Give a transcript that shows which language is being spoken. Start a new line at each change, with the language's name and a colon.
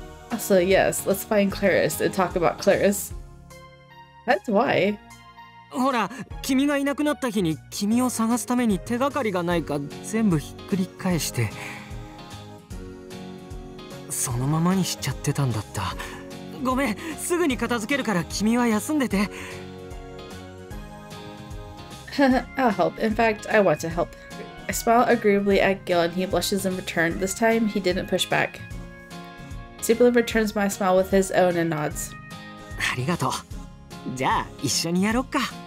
English: Also, yes, let's find Claris and talk about Claris. That's why.
Japanese: ほら、君がいなくなった日に君を探すために手がかりがないか全部ひっくり返して、そのままにしちゃってたんだった。ごめん、すぐに片付けるから君は休んでて。
English: I'll help. In fact, I want to help. I smile agreeably at Gil and he blushes in return. This time, he didn't push back. Cupid returns my smile with his own and nods.
Japanese: Arigato. Ja, issho ni yarokka.